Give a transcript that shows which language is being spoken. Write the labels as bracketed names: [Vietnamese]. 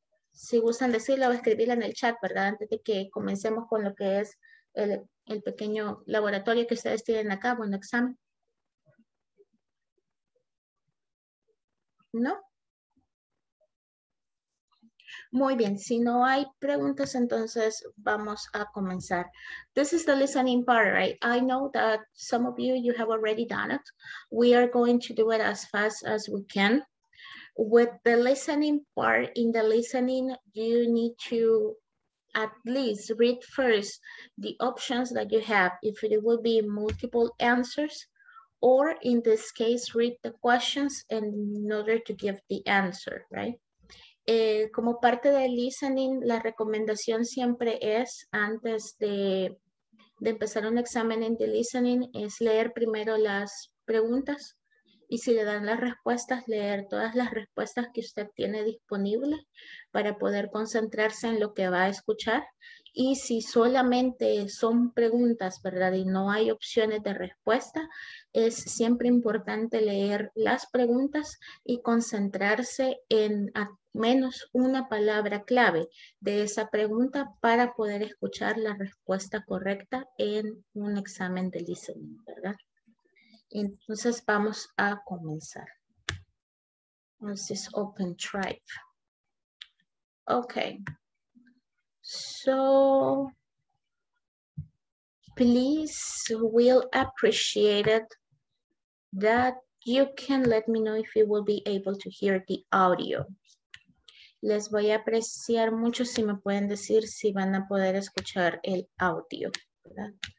[Spanish] Si gustan decirlo o escribirla en el chat, ¿verdad? Antes de que comencemos con lo que es el pequeño laboratorio que ustedes tienen acá, bueno, examen. ¿No? Muy bien, si no hay preguntas, entonces vamos a comenzar. [English] This is the listening part, right? I know that some of you have already done it. We are going to do it as fast as we can. With the listening part, in the listening, you need to at least read first the options that you have. If it will be multiple answers, or in this case, read the questions in order to give the answer, right? [Spanish] Como parte del listening, la recomendación siempre es, antes de empezar un examen en the listening, es leer primero las preguntas y si le dan las respuestas, leer todas las respuestas que usted tiene disponible para poder concentrarse en lo que va a escuchar. Y si solamente son preguntas, ¿verdad? Y no hay opciones de respuesta, es siempre importante leer las preguntas y concentrarse en al menos una palabra clave de esa pregunta para poder escuchar la respuesta correcta en un examen de listening, ¿verdad? Entonces vamos a comenzar. Entonces, Open Tribe. Okay. [English] So, please, we'll appreciate it that you can let me know if you will be able to hear the audio. [Spanish] Les voy a apreciar mucho si me pueden decir si van a poder escuchar el audio, ¿verdad?